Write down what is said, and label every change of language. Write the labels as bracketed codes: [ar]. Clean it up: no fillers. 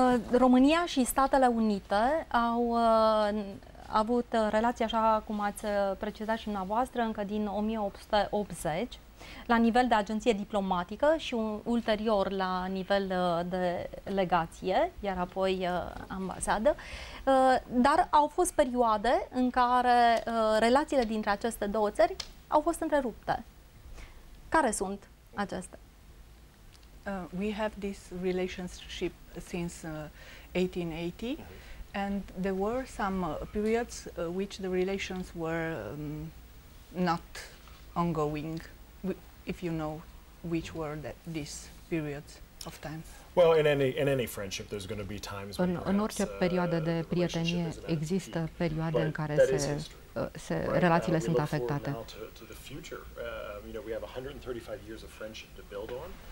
[ro] România și Statele Unite au avut relații, așa cum ați precizat și dumneavoastră, încă din 1880, la nivel de agenție diplomatică și ulterior la nivel de legație, iar apoi ambasadă. Dar au fost perioade în care relațiile dintre aceste două țări au fost întrerupte. Care sunt acestea? [en] We have this relationship since 1880, and there were some periods which the relations were not ongoing, if you know which were these periods of time. Well, in any friendship, there's going to be times when [ro] În orice perioadă de prietenie există perioade în care se relațiile sunt afectate. [en] You know, we have 135 years of friendship to build on.